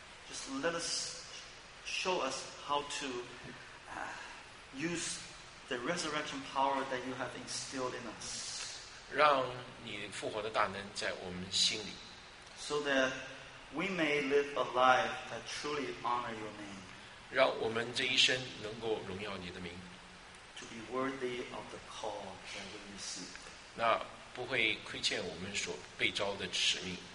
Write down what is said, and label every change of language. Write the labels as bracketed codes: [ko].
[en] Just let us show us how to use the resurrection power that you have instilled in us. [zh] 让你复活的大能在我们心里 [en] ，so that we may live a life that truly honor your name. [zh] 让我们这一生能够荣耀你的名。 [en] To be worthy of the call that we receive. [zh] 那不会亏欠我们所被召的使命。